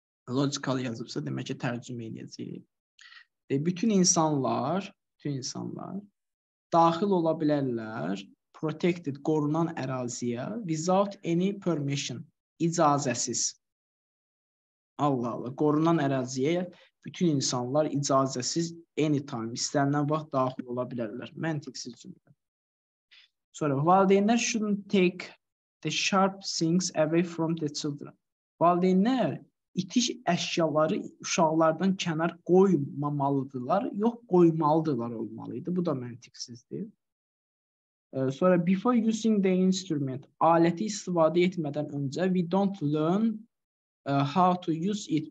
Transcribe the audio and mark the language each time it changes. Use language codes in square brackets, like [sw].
[az] Logical yazıbsa, demək ki, tərcümə edəcəyik. Bütün insanlar daxil ola bilərlər protected, qorunan əraziyə [en] without any permission, [az] icazəsiz. Allah Allah, qorunan əraziyə bütün insanlar icazəsiz anytime, istənilən vaxt daxil ola bilərlər. Məntiqsiz cümlə. [en] Sonra, [az] valideynlər [en] shouldn't take the sharp things away from the children. [az] Valideynlər itiş əşyaları uşaqlardan kənar qoymamalıdırlar, yox, qoymalıdırlar olmalıydı. Bu da məntiqsizdir. Sonra, [en] before using the instrument, [az] aləti istifadə etmədən öncə, [en] we don't learn how to use it.